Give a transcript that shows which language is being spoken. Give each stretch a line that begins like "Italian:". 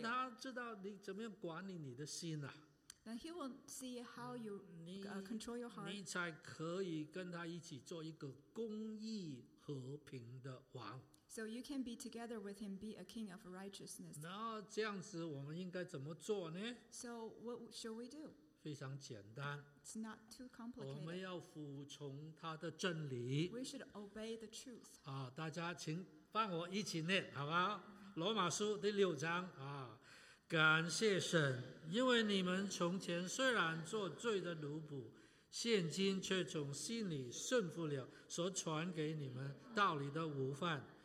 Chinese: 让他知道你怎么样管理你的心啊。
English: Then he will see how you control your heart.
Chinese: 你才可以跟他一起做一个公义和平的王。
English: So you can be together with him, be a king of righteousness.
Chinese: 那这样子我们应该怎么做呢？
English: So what should we do?
Chinese: 非常简单。
English: It's not too complicated.
Chinese: 我们要服从他的真理。
English: We should obey the truth.
Chinese: 啊，大家请帮我一起念，好吧？罗马书第六章啊，感谢神，因为你们从前虽然做罪的奴仆，现今却从心里顺服了所传给你们道理的午饭。